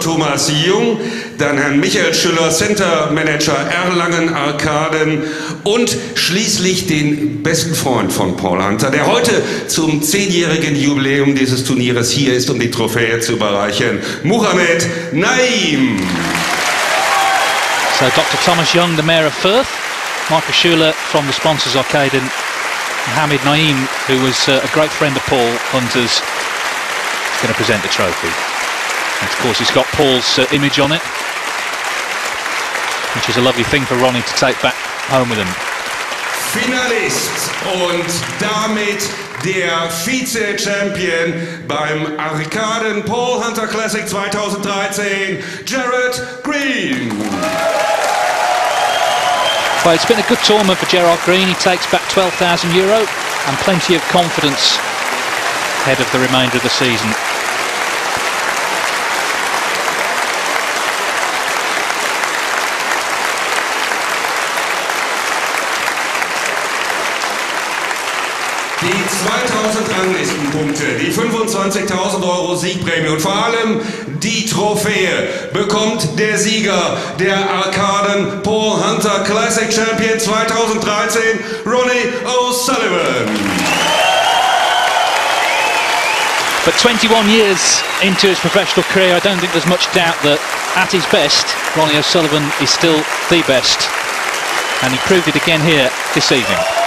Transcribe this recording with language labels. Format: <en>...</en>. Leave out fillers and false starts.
<de>Thomas Jung, dann Herrn Michael Schüller, Center Manager Erlangen Arkaden und schließlich den besten Freund von Paul Hunter, der heute zum 10-jährigen Jubiläum dieses Turnieres hier ist, um die Trophäe zu überreichen, Mohamed Naim.</de> <en>So Dr. Thomas Jung, the Mayor of Fürth. Michael Schuler from the sponsors Arcaden, Mohamed Naim, who was a great friend of Paul Hunter's, is going to present the trophy. And of course, it's got Paul's image on it, which is a lovely thing for Ronnie to take back home with him.</en> <de>Finalist und damit der Vize-Champion beim Arcaden Paul Hunter Classic 2013, Gerard Greene.</de> <en>Well, it's been a good tournament for Gerard Greene. He takes back €12,000 and plenty of confidence ahead of the remainder of the season.</en> <de>Die 2000 Ranglistenpunkte, die 25.000 Euro Siegprämie und vor allem die Trophäe bekommt der Sieger der Arcaden Paul Hunter Classic Champion 2013, Ronnie O'Sullivan.</de> <en>For 21 years into his professional career, I don't think there's much doubt that at his best, Ronnie O'Sullivan is still the best. And he proved it again here this evening.</en>